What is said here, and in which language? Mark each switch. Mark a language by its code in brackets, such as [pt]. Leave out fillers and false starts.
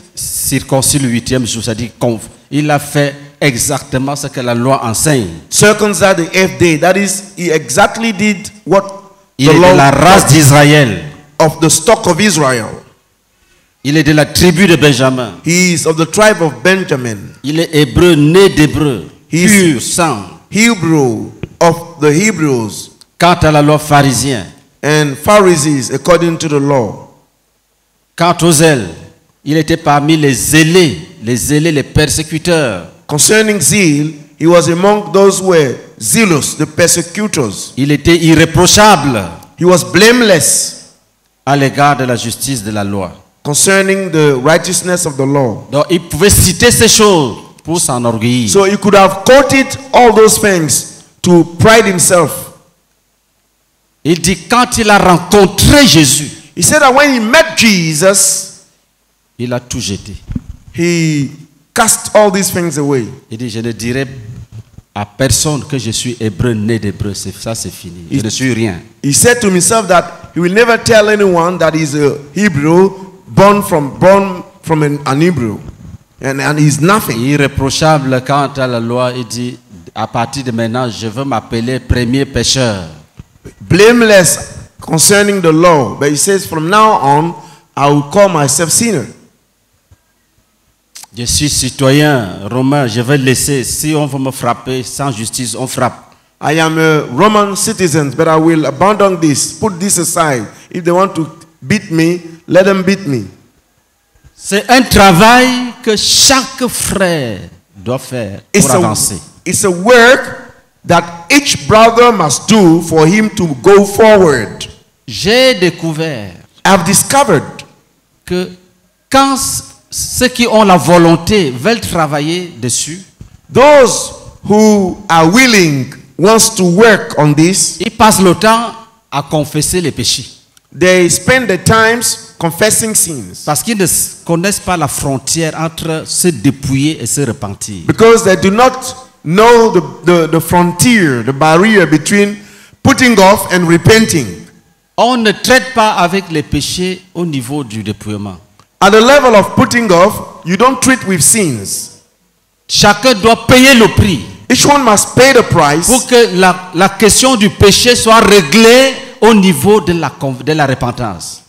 [fr] Circoncis le huitième jour, c'est-à-dire il a fait exactement ce que la loi enseigne. [en] Circumcised the eighth day, that is, he exactly did what [fr] il [en] the [fr] est de la race d'Israël, [en] of the stock of Israel. [fr] Il est de la tribu de Benjamin. [en] He is of the tribe of Benjamin. [fr] Il est hébreu, né d'hébreu. [en] He [fr] is pur sang. [en] Hebrew of the Hebrews. [fr] Quant à la loi pharisien. [en] And Pharisees according to the law. [fr] Quant aux zèles, il était parmi les zélés, les persécuteurs. [en] Concerning zeal, he was among those who were zealous, the persecutors. [fr] Il était irréprochable. [en] He was blameless. [fr] À l'égard de la justice de la loi. [en] Concerning the righteousness of the law. [fr] Donc il pouvait citer ces choses pour s'enorgueillir. [en] So he could have quoted all those things to pride himself. [fr] Il dit quand il a rencontré Jésus, [en] he said that when he met Jesus, [fr] il a tout jeté. [en] He cast all these things away. [fr] Il dit je ne dirai à personne que je suis hébreu né d'hébreu, ça c'est fini. Je ne suis rien. [en] He said to himself that he will never tell anyone that he's a Hebrew, born from an Hebrew, and he's nothing. [fr] Irréprochable quant à la loi, il dit à partir de maintenant je veux m'appeler premier pécheur. [en] Blameless concerning the law, but he says from now on I will call myself sinner. [fr] Je suis citoyen romain, je vais laisser, si on veut me frapper sans justice on frappe. [en] I am a Roman citizen, but I will abandon this, put this aside. If they want to beat me, let them beat me. [fr] C'est un travail que chaque frère doit faire pour avancer. [en] It's a work that each brother must do for him to go forward. [fr] J'ai découvert. [en] I've discovered [fr] que quand ceux qui ont la volonté veulent travailler dessus, [en] those who are willing wants to work on this, [fr] ils passent le temps à confesser les péchés. [en] They spend the times confessing sins. [fr] Parce qu'ils ne connaissent pas la frontière entre se dépouiller et se repentir. [en] Because they do not know the frontier, the barrier between putting off and repenting. [fr] On ne traite pas avec les péchés au niveau du dépouillement. [en] At the level of putting off, you don't treat with sins. [fr] Chacun doit payer le prix. [en] Each one must pay the price. [fr] Pour que la question du péché soit réglée au niveau de la repentance.